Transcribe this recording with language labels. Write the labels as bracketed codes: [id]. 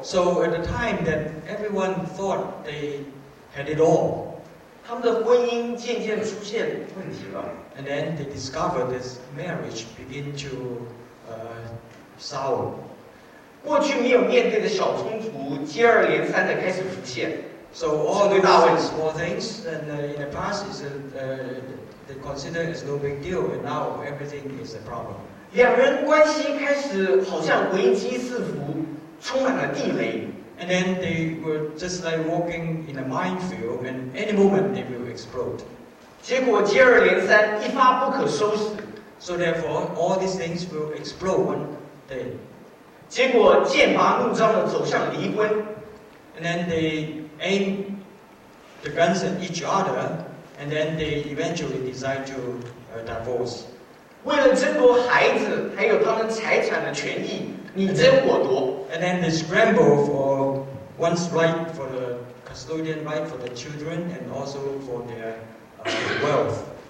[en] so at the time that everyone thought they had it all, [zh] 他们的婚姻渐渐出现问题了。 [en] And then they discovered this marriage begin to sour. [zh] 过去没有面对的小冲突接二连三的开始浮现。 [en] So all these small things, and in the past is they consider it's no big deal, and now everything is a problem. [zh] 两人关系开始好像危机四伏，充满了地雷。 [en] And then they were just like walking in a minefield, and any moment they will explode. [zh] 结果接二连三，一发不可收拾。 [en] So therefore, all these things will explode one day. [zh] 结果剑拔弩张地走向离婚。 [en] And then they aim the guns at each other, and then they eventually decide to divorce. [zh] 为了争夺孩子还有他们财产的权益，你争我夺。 [en] And then they scramble for one's right, for the custodian right, for the children, and also for their wealth.